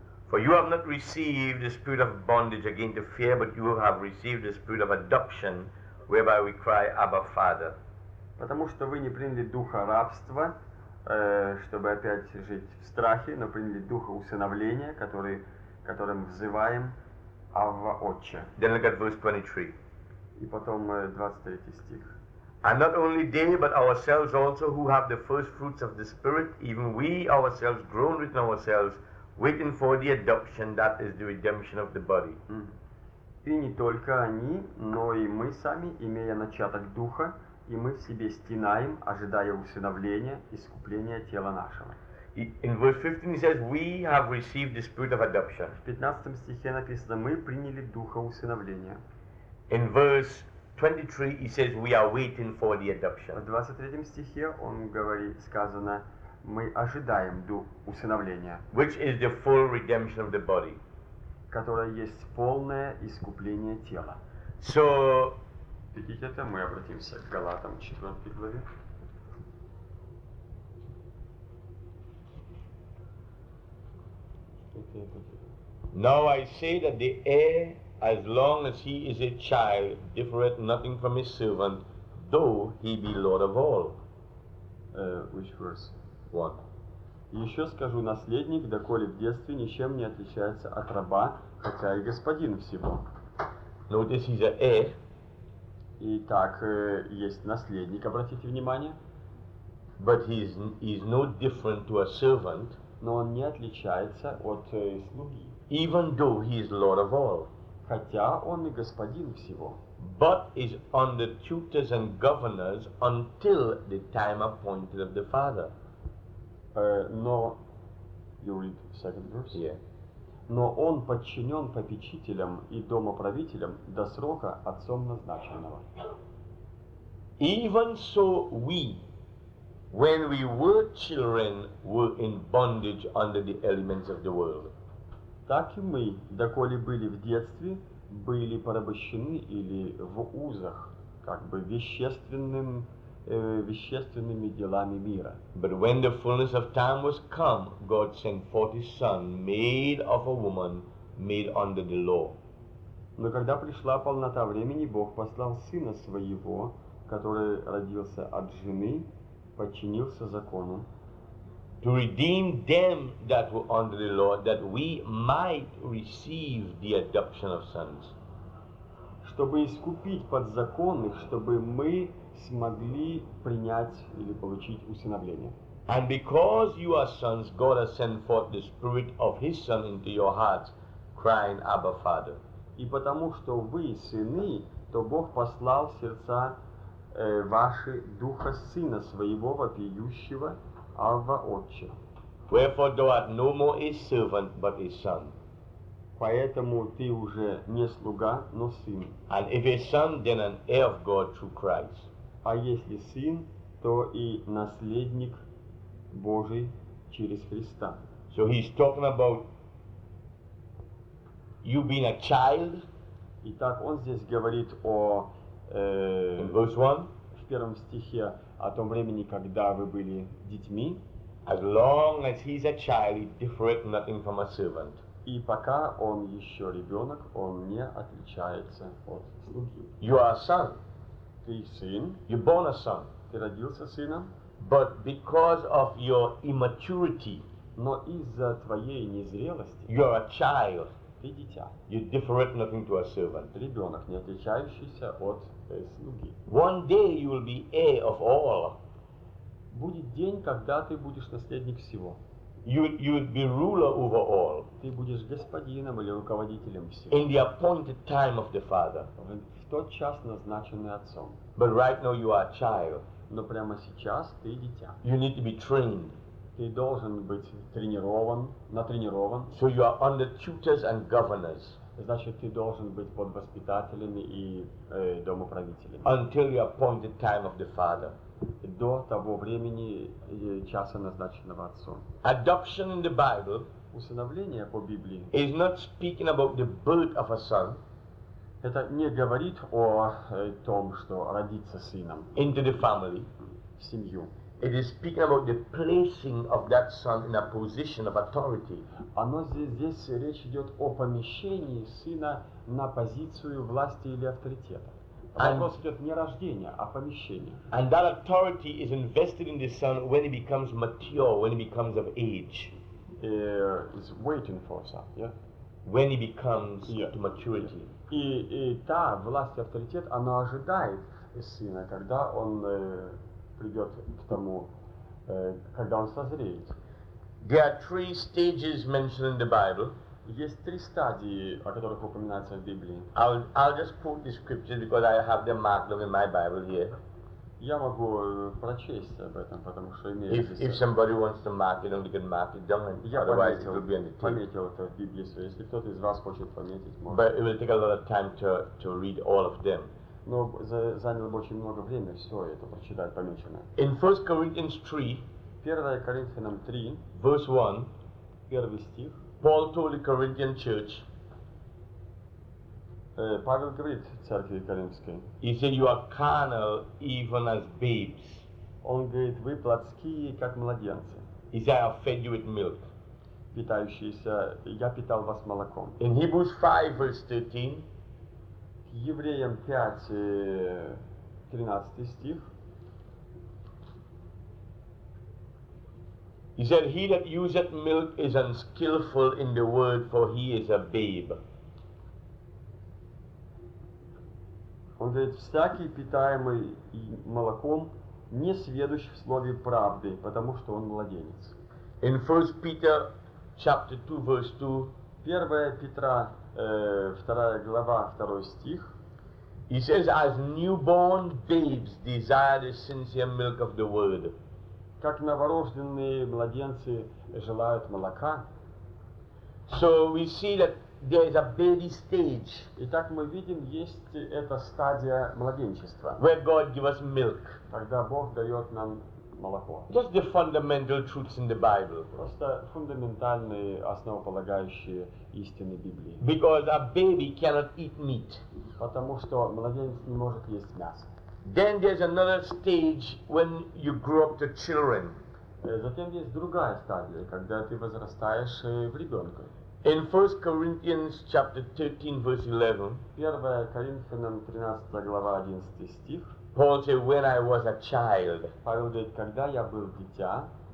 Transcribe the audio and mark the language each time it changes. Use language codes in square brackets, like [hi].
[en] For you have not received the spirit of bondage again to fear, but you have received the spirit of adoption, whereby we cry, Abba, Father. [ru] Потому что вы не приняли духа рабства, чтобы опять жить в страхе, но приняли духа усыновления, которым взываем. Авва Отче. [en] Then look at verse 23. [ru] И потом 23 стих. [en] And not only they, but ourselves also, who have the first fruits of the Spirit, even we ourselves, groan within ourselves, waiting for the adoption, that is the redemption of the body. [ru] И не только они, но и мы сами, имея начаток духа, и мы в себе стенаем, ожидая усыновления, искупления тела нашего. [en] In verse 15 he says, we have received the spirit of adoption. [ru] В 15 стихе написано, мы приняли духа усыновления. [en] In verse 23 he says, we are waiting for the adoption. [ru] В 23 стихе он говорит, сказано, мы ожидаем усыновления. [en] Which is the full redemption of the body. [ru] Которое есть полное искупление тела. [en] So, [ru] видите это, мы обратимся к Галатам 4 главе. [en] Now I say that the heir, as long as he is a child, differeth nothing from his servant, though he be lord of all. Which verse? One. [ru] Еще скажу, наследник, доколе в детстве ничем не отличается от раба, хотя и господин всего. [en] Notice he's a heir. [ru] Итак, есть наследник, обратите внимание. [en] But he's no different to a servant. [ru] Но он не отличается от слуги. [en] Even though he is lord of all. [ru] Хотя он и господин всего. [en] But is under tutors and governors until the time appointed of the father. [ru] Но, [en] you read second verse? Yeah. [ru] Но он подчинен попечителям и домоправителям до срока отцом назначенного. [en] Even so we, when we were children, were in bondage under the elements of the world. [ru] Так и мы, доколе были в детстве, были порабощены или в узах, как бы вещественными делами мира. [en] But when the fullness of time was come, God sent forth his son, made of a woman, made under the law. [ru] Но когда пришла полнота времени, Бог послал сына своего, который родился от жены, подчинился закону. [en] To redeem them that were under the law, that we might receive the adoption of sons. [ru] Чтобы искупить подзаконных, чтобы мы смогли принять или получить усыновление. [en] And because you are sons, God has sent forth the spirit of his son into your hearts, crying, Abba, Father. [ru] И потому что вы сыны, то Бог послал в сердца ваши духа сына своего вопиющего, Авва Отче. [en] Wherefore thou art no more a servant, but a son. [ru] Поэтому ты уже не слуга, но сын. [en] And if a son, then an heir of God through Christ. [ru] А если сын, то и наследник Божий через Христа. [en] So he's talking about you being a child. [ru] Итак, он здесь говорит о [en] In verse 1. [ru] В первом стихе о том времени, когда вы были детьми. [en] As long as he's a child, he differeth nothing from a servant. [ru] И пока он еще ребенок, он не отличается от слуги. [en] You are a son. [ru] Ты сын. [en] You're born a son. [ru] Ты родился сыном. [en] But because of your immaturity, [ru] но из-за твоей незрелости, [en] you're a child. [ru] Ты дитя. [en] You differeth nothing to a servant. [ru] Ребенок, не отличающийся от слуги. [en] One day you will be heir of all. [ru] Будет день, когда ты будешь наследник всего. [en] You would be ruler over all. [ru] Ты будешь господином или руководителем всего. [en] In the appointed time of the Father. [ru] В тот час, назначенный отцом. [en] But right now you are a child. [ru] Но прямо сейчас ты дитя. [en] You need to be trained. [ru] Ты должен быть тренирован, натренирован. [en] So you are under tutors and governors. [ru] Значит, ты должен быть под воспитателями и домоправителями. [en] Until the appointed time of the Father. [ru] До того времени часа назначенного отцом. [en] Adoption in the Bible, [ru] усыновление по Библии, [en] is not speaking about the birth of a son. [ru] Это не говорит о том, что родиться сыном. [en] Into the family, [ru] в семью. [en] It is speaking about the placing of that son in a position of authority. [ru] Оно здесь речь идет о помещении сына на позицию власти или авторитета. Вопрос идет не рождение, а помещение. [en] And that authority is invested in the son when he becomes mature, when he becomes of age. Is waiting for son, yeah? When he becomes to maturity. [ru] И та власть и авторитет, она ожидает сына, когда он придет к тому, когда он созреет. [en] There are three stages mentioned in the Bible. [ru] Есть три стадии, о которых упоминается в Библии. [en] I'll just quote the scriptures because I have them marked them in my Bible here. [ru] Я могу прочесть об этом, потому что имею. [en] If somebody wants to mark it, only can mark it down. Otherwise, it will be on the tape. [ru] Пометил это в Библии, что если кто-то из вас хочет пометить, может. [en] But it will take a lot of time to read all of them. [ru] Но заняло бы очень много времени все это прочитать помеченное. [en] In 1 Corinthians 3, [ru] 1 Коринфянам 3, [en] verse 1, [ru] первый стих. [en] Paul told the Corinthian church. [ru] Павел говорит церкви Коринфской. [en] He said, "You are carnal, even as babes." [ru] Он говорит, вы плотские, как младенцы. [en] He said, "I have fed you with milk." [ru] Питающиеся, я питал вас молоком. [en] In Hebrews 5, verse 13. [ru] Евреям 5, 13 стих. [en] He said, "He that useth milk is unskillful in the word, for he is a babe." [ru] Он говорит, всякий питаемый молоком не сведущ в слове правды, потому что он младенец. [en] In 1 Peter chapter 2, verse 2. [ru] 1 Петра, 2 глава, 2 стих. [en] He says, "As newborn babes desire the sincere milk of the word." [ru] Как новорожденные младенцы желают молока. [en] So we see that there is a baby stage. [ru] Итак, мы видим, есть эта стадия младенчества. [en] Where God gives us milk. [ru] Когда Бог дает нам молоко. [en] Just the fundamental truths in the Bible. [ru] Просто фундаментальные основополагающие истины Библии. [en] Because a baby cannot eat meat. [ru] Потому что младенец не может есть мясо. [en] Then there's another stage when you grow up to children. [ru] Затем есть другая стадия, когда ты возрастаешь в ребенка. [en] In 1 Corinthians chapter 13, verse 11. [ru] 1 Коринфянам 13 глава 11 стих. [en] Paul said, "When I was a child." [ru] Павел говорит, когда я был дитя.